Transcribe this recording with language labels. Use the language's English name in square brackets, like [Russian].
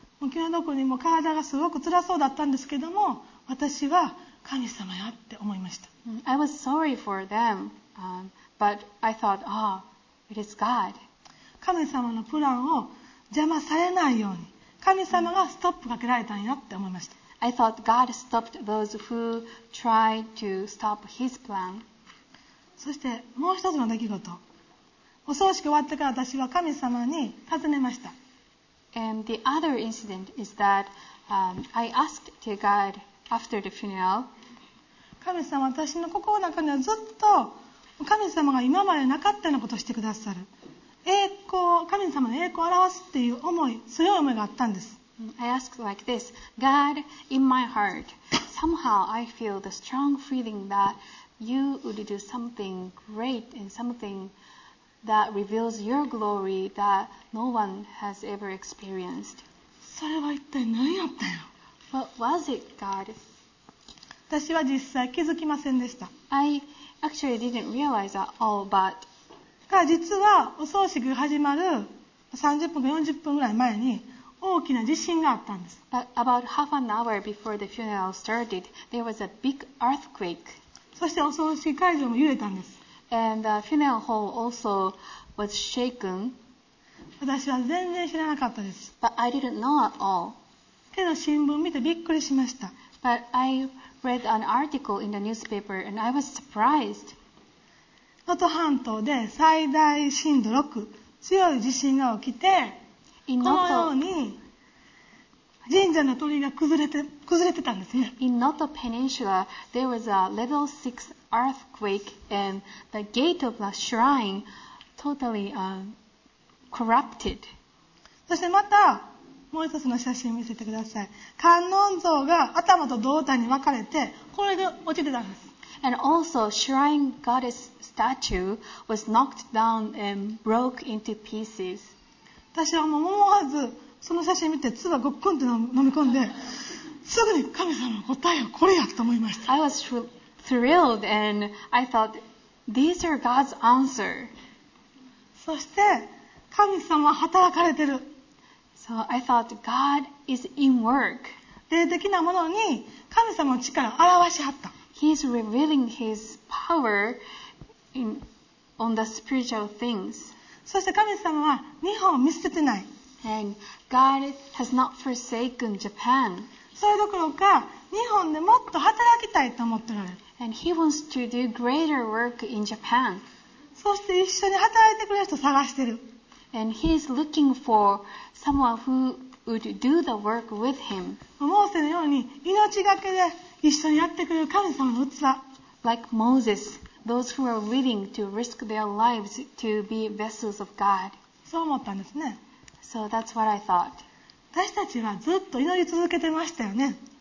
[Japanese] 気の毒にも体がすごく辛そうだったんですけども、私は神様やって思いました。 [English] I was sorry for them, but I thought, ah,、oh, it is God. [Japanese] 神様のプランを邪魔されないように、神様がストップかけられたんやって思いました。 [English] I thought God stopped those who tried to stop his plan. [Japanese] そしてもう一つの出来事。お葬式終わってから私は神様に尋ねました。 [English] And the other incident is that, I asked to God after the funeral. [Japanese] 神様、私の心の中にはずっと神様が今までなかったようなことをしてくださる。栄光、神様の栄光を表すっていう思い、強い思いがあったんです。 [English] I ask like this, God, in my heart, somehow I feel the strong feeling that you would do something great and something that reveals your glory that no one has ever experienced. [Japanese] それは一体何やったよ? [English] What was it, God? [Japanese] 私は実際気づきませんでした。 [English] I actually didn't realize at all, but [Japanese] 実はお葬式が始まる30分か40分ぐらい前に大きな地震があったんです。 [English] But about half an hour before the funeral started, there was a big earthquake. [Japanese] そしてお葬式会場も揺れたんです。 [English] And the funeral hall also was shaken. [Japanese] 私は全然知らなかったです。 [English] But I didn't know at all. [Japanese] けど新聞見てびっくりしました。 [English] But I read an article in the newspaper and I was surprised. [Japanese] 能登半島で最大震度6、強い地震が起きて、このように神社の鳥居が崩れてたんですね。 [English] In Noto Peninsula, there was a level 6 earthquake and the gate of the shrine totally corrupted. [Japanese] そしてまたもう一つの写真見せてください。観音像が頭と胴体に分かれてこれで落ちてたんです。 [English] And also, shrine goddess statue was knocked down and broke into pieces. [Japanese] 私はもう思わずその写真見て唾ごっくんって飲み込んですぐに神様の答えはこれやと思いました。 [English] I was thrilled and I thought these are God's answer. [Japanese] そして神様は働かれてる。 [English] So I thought God is in work. [Japanese] 霊的なものに神様の力を表しはった。 [English] He's revealing his power in, on the spiritual things. [Japanese] そして神様は日本を見捨ててない。 [English] And God has not forsaken Japan. [Japanese] それどころか日本でもっと働きたいと思ってる。 [English] And he wants to do greater work in Japan. [Japanese] そして一緒に働いてくれる人探してる。 [English] And he is looking for someone who would do the work with him. [Japanese] モーセのように命がけで一緒にやってくれる神様の器。 [English] Like Moses. Those who are willing to risk their lives to be vessels of God. [Japanese] そう思ったんですね。 [English] So that's what I thought. [Japanese] 私たちはずっと祈り続けてましたよね。